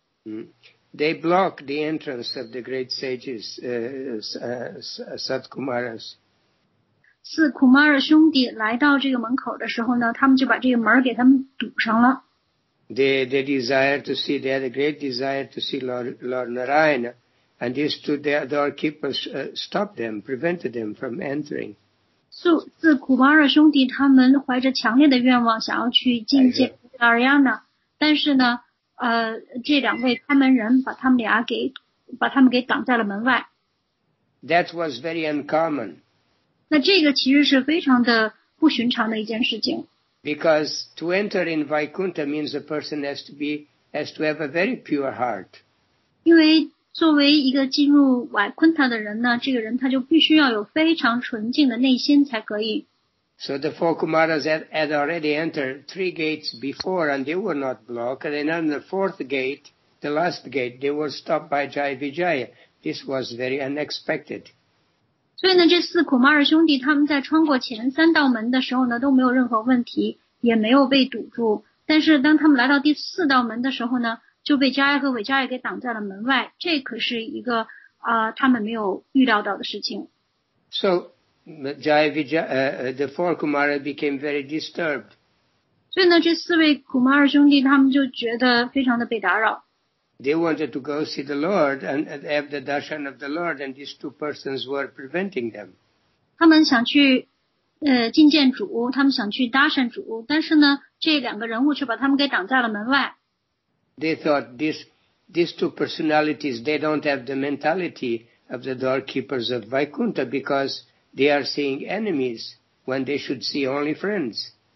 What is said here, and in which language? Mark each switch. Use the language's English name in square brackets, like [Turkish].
[English] They block the entrance of the great sages, Satkumaras. [Chinese] 四 Kumara 兄弟来到这个门口的时候呢，他们就把这个门给他们堵上了。 [English] They had a great desire to see Lord Narayana, and these two doorkeepers stopped them, prevented them from entering. [Chinese] 四 Kumara 兄弟他们怀着强烈的愿望想要去觐见 Narayana, 但是呢这两位看门人把他们给挡在了门外。 [English] That was very uncommon. [Chinese] 那这个其实是非常的不寻常的一件事情。 [English] Because to enter in Vaikuntha means a person has to have a very pure heart. [Chinese] 因为作为一个进入瓦昆塔的人呢，这个人他就必须要有非常纯净的内心才可以。 [English] So the four Kumaras had already entered three gates before and they were not blocked. And then on the fourth gate, the last gate, they were stopped by Jaya Vijaya. This was very unexpected. [Chinese] 所以呢，这四 Kumara 兄弟他们在穿过前三道门的时候呢，都没有任何问题，也没有被堵住。但是当他们来到第四道门的时候呢，就被 Jaya 和 Vijaya 给挡在了门外。这可是一个他们没有预料到的事情。 [English] So,the four Kumara became very disturbed. [Chinese] 所以呢，这四位 Kumara 兄弟他们就觉得非常的被打扰。 [English] They wanted to go see the Lord and have the darshan of the Lord, and these two persons were preventing them. [Chinese] 他们想去觐见主，他们想去darshan主，但是呢，这两个人物却把他们给挡在了门外。 [English] They thought these two personalities, they don't have the mentality of the doorkeepers of Vaikuntha because they are seeing enemies when they should see only friends.